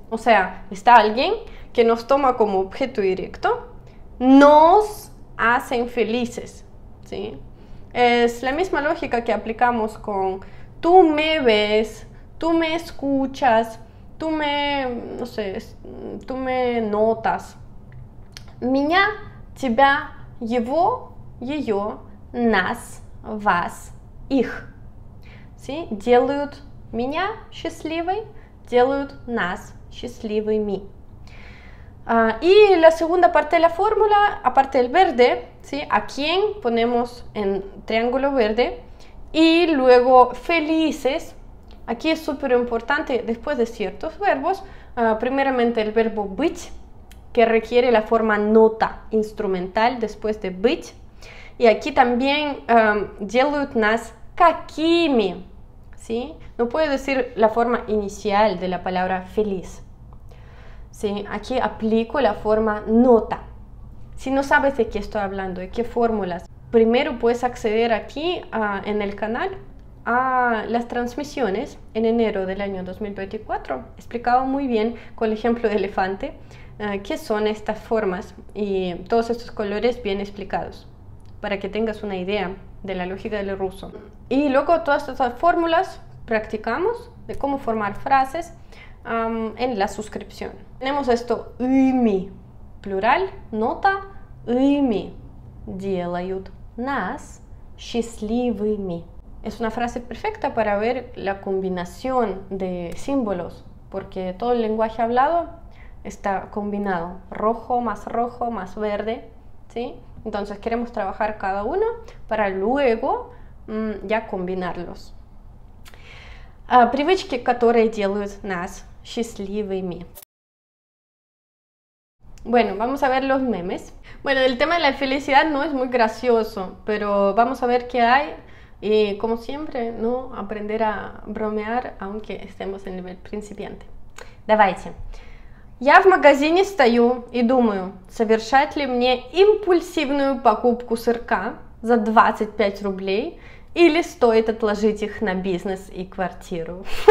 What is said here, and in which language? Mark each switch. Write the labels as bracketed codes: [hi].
[es] O sea, está alguien que nos toma como objeto directo. Nos hacen felices, ¿sí? Es la misma lógica que aplicamos con tú me ves, tú me escuchas, no sé, tú me notas. [ru] Меня, тебя, его, ее, нас, вас, их. [es] ¿Sí? [ru] Делают меня счастливой, делают нас счастливыми. [es] Y la segunda parte de la fórmula, aparte del verde, ¿sí? A quién ponemos en triángulo verde. Y luego felices, aquí es súper importante, después de ciertos verbos, primeramente el verbo быть, que requiere la forma nota instrumental después de быть. Y aquí también [ru] делают нас какими, [es] ¿sí? No puede decir la forma inicial de la palabra feliz. Sí, aquí aplico la forma nota. Si no sabes de qué estoy hablando, de qué fórmulas, primero puedes acceder aquí en el canal a las transmisiones en enero del año 2024. Explicado muy bien con el ejemplo de elefante, qué son estas formas y todos estos colores bien explicados para que tengas una idea de la lógica del ruso. Y luego todas estas fórmulas practicamos de cómo formar frases en la suscripción. Tenemos esto, [ru] ими, [es] plural, [ru] нота, ими, делают нас счастливыми. [es] Es una frase perfecta para ver la combinación de símbolos, porque todo el lenguaje hablado está combinado, rojo, más verde, ¿sí? Entonces queremos trabajar cada uno para luego ya combinarlos. [ru] Привычки, которые делают нас счастливыми. [es] Bueno, vamos a ver los memes. Bueno, el tema de la felicidad no es muy gracioso, pero vamos a ver qué hay. Y como siempre, ¿no? Aprender a bromear, aunque estemos en nivel principiante. [ru] Давайте. Я в магазине стою и думаю, совершать ли мне импульсивную покупку сырка за 25 рублей или стоит отложить их на бизнес и квартиру.